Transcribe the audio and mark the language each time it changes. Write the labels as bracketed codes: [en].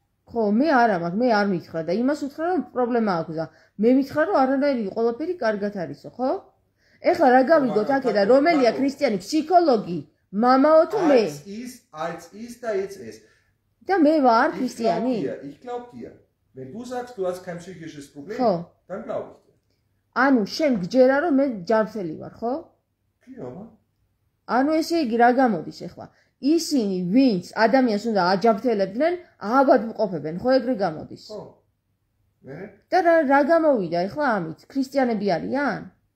[ka] ხო, მე არა მაგ, მე არ მითხრა და იმას უთხრა რომ პრობლემა აქვს და მე მითხრა რომ არანაირი ყველაფერი კარგად არისო, ხო? ეხლა რა გავიგოთ აქედან, რომელია ქრისტიანი ფსიქოლოგი? მამაო თუ მე? [de] Als ist da jetzt es. [ka] Da მე ვარ ქრისტიანი? [de] Ich glaube dir. Wenn du sagst, du hast kein psychisches Problem, dann glaube ich dir. [ka] Anu, შენ გჯერა რომ მე ჯანმრთელი ვარ, ხო? კი, მამა. Anu, ესე იგი რა გამოდის ეხლა? ისინი, ვინც ადამიანს უნდა აჯანმრთელებდნენ, ააბად მყოფებენ, ხო ეგრე გამოდის? ხო. მე? Და რა გამოვიდა ეხლა ამით? ქრისტიანები არიან?